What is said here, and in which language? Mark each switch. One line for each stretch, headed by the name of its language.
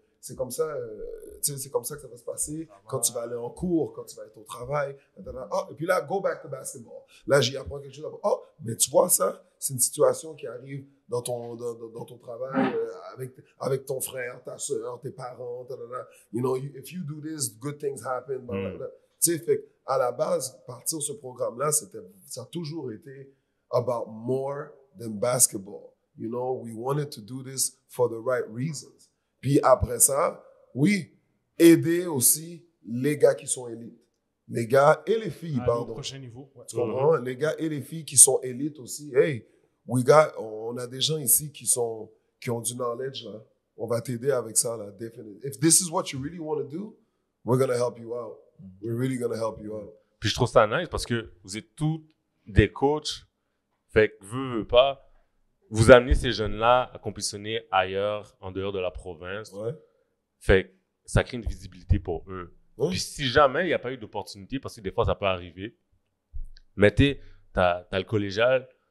French: C'est comme ça, c'est comme ça que ça va se passer quand tu vas aller en cours, quand tu vas être au travail. Oh, et puis là,
English: go back to basketball.
French: Là, j'y apprends quelque chose. Oh, mais tu vois ça? C'est une situation qui arrive dans ton travail avec ton frère, ta soeur, tes parents.
English: You know, if you do this, good things happen.
French: Mm. Tu sais, fait à la base, partir de ce programme-là, ça a toujours été
English: about more than basketball. You know, we wanted to do this for the right reasons.
French: Puis après ça, oui, aider aussi les gars qui sont élites. Les gars et les filles, pardon. Au prochain niveau. Ouais. Tu comprends? Mm-hmm. Les gars et les filles qui sont élites aussi.
English: Hey, we got,
French: on a des gens ici qui ont du knowledge. Là. On va t'aider avec ça, là,
English: definitely. If this is what you really want to do, we're going to help you out. Mm-hmm. We're really going to help you out.
French: Puis je trouve ça nice parce que vous êtes tous des coachs. Fait que veux pas, vous amenez ces jeunes-là à compétitionner ailleurs, en dehors de la province. Ouais. Fait que ça crée une visibilité pour eux. Hein? Puis si jamais il n'y a pas eu d'opportunité, parce que des fois, ça peut arriver, mais tu as le collégial,